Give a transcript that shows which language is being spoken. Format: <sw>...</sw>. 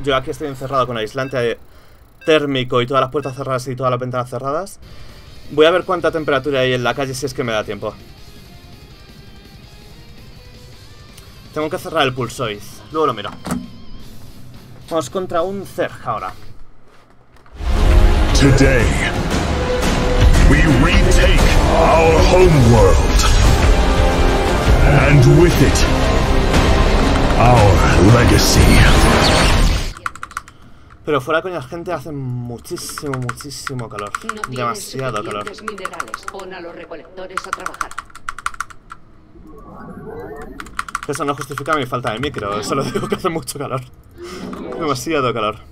<es>Yo aquí estoy encerrado con aislante térmico y todas las puertas cerradas y todas las ventanas cerradas. Voy a ver cuánta temperatura hay en la calle si es que me da tiempo. Tengo que cerrar el Pulsoid, luego lo miro. Vamos contra un Zerg ahora.</es> <en>Today we retake our homeworld and with it our legacy.</en> <es>Pero fuera coño, la gente hace muchísimo, muchísimo calor. No, demasiado calor. Minerales. Pon a los recolectores a trabajar. Eso no justifica mi falta de micro, solo digo que hace mucho calor. Demasiado calor.</es>